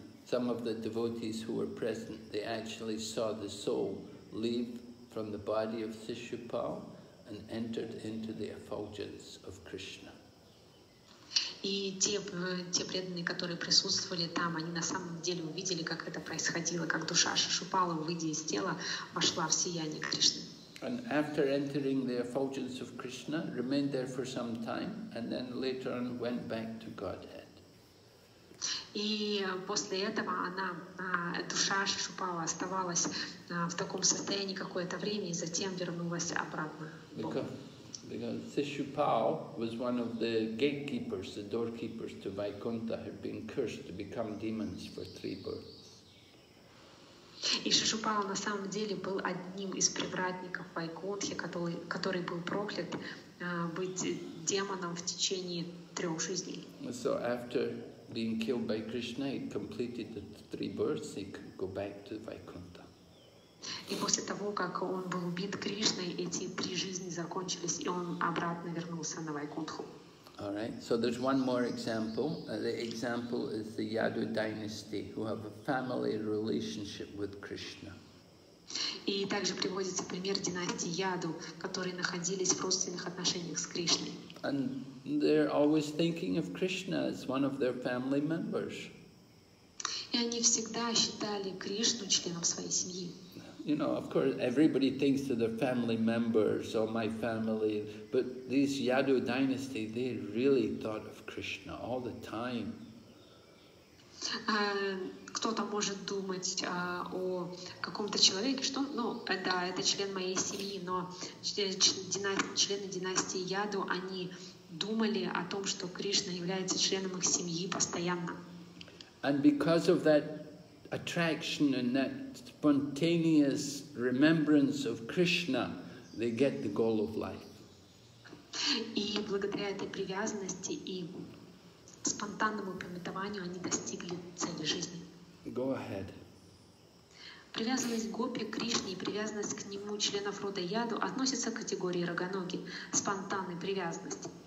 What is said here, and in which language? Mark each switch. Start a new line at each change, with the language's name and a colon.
English: Some of the devotees who were present, they actually saw the soul leave from the body of Sishupal and entered into the effulgence of Krishna.
Russian: И те преданные, которые присутствовали там, они на самом деле увидели, как это происходило, как душа Шишупала, выйдя из тела, вошла в сияние Кришны.
English: And after entering the effulgence of Krishna, remained there for some time, and then later on went back to Godhead.
Russian: И после этого она, душа Шишупала, оставалась в таком состоянии какое-то время, и затем вернулась обратно в Бог.
English: Because Sishupal was one of the gatekeepers, the doorkeepers to Vaikuntha, had been cursed to become demons for three births.
Russian: И Шишупала на самом деле был одним из привратников Вайкунтхи, который был проклят быть демоном в течение трех жизней.
English: So after being killed by Krishna, he completed the three births, he could go back to Vaikuntha.
Russian: И после того, как он был убит Кришной, эти три жизни закончились, и он обратно вернулся на Вайкунтху.
English: All right. So there's one more example. The example is the Yadu dynasty, who have a family relationship with Krishna.
Russian: И также приводится пример династии Яду, которые находились в родственных отношениях с Кришной.
English: And they're always thinking of Krishna as one of their family members.
Russian: И они всегда считали Кришну членом своей семьи.
English: You know, of course, everybody thinks of their family members or my family, but these Yadu dynasty, they really thought of Krishna all the time.
Russian: Кто-то может думать о каком-то человеке, что, ну, да, это член моей семьи, но члены династии Яду, они думали о том, что Кришна является членом их семьи постоянно.
English: And because of that attraction and that spontaneous remembrance of Krishna, they get the goal of life.
Russian: И благодаря этой привязанности и спонтанному памятованию они достигли цели жизни.
English: Go ahead.
Russian: Привязанность к Гопи, Кришне и привязанность к нему членов рода Яду относятся к категории Рагоноги, спонтанной привязанности.